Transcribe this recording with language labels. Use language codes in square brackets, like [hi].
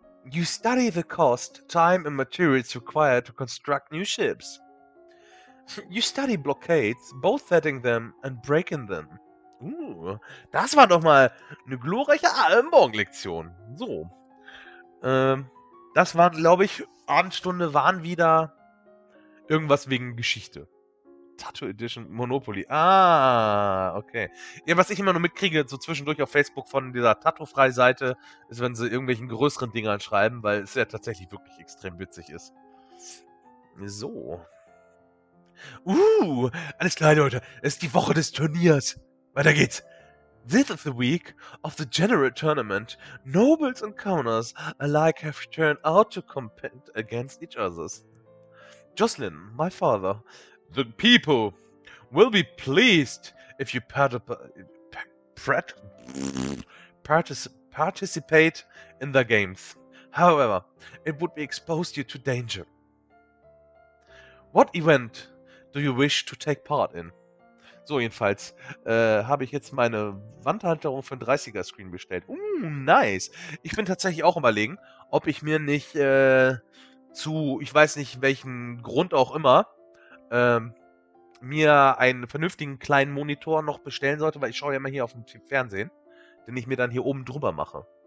[en] You study the cost, time and materials required to construct new ships. You study blockades, both setting them and breaking them. [de] Das war doch mal eine glorreiche Almborn-Lektion. So. Das war, glaube ich, Abendstunde waren wieder irgendwas wegen Geschichte. Tattoo Edition Monopoly. Ah, okay. Ja, was ich immer nur mitkriege, so zwischendurch auf Facebook von dieser Tattoo-Frei-Seite, ist, wenn sie irgendwelchen größeren Dingern schreiben, weil es ja tatsächlich wirklich extrem witzig ist. So. Alles klar, Leute. Es ist die Woche des Turniers. Weiter geht's. [en] This is the week of the general tournament. Nobles and commoners alike have turned out to compete against each other. Jocelyn, my father, the people will be pleased if you participate in their games. However, it would be exposed you to danger. What event do you wish to take part in? [de] So, jedenfalls habe ich jetzt meine Wandhalterung für ein 30er-Screen bestellt. [en] Nice. [de] Ich bin tatsächlich auch überlegen, ob ich mir nicht zu, ich weiß nicht, welchem Grund auch immer, mir einen vernünftigen kleinen Monitor noch bestellen sollte, weil ich schaue ja immer hier auf dem Fernsehen, den ich mir dann hier oben drüber mache.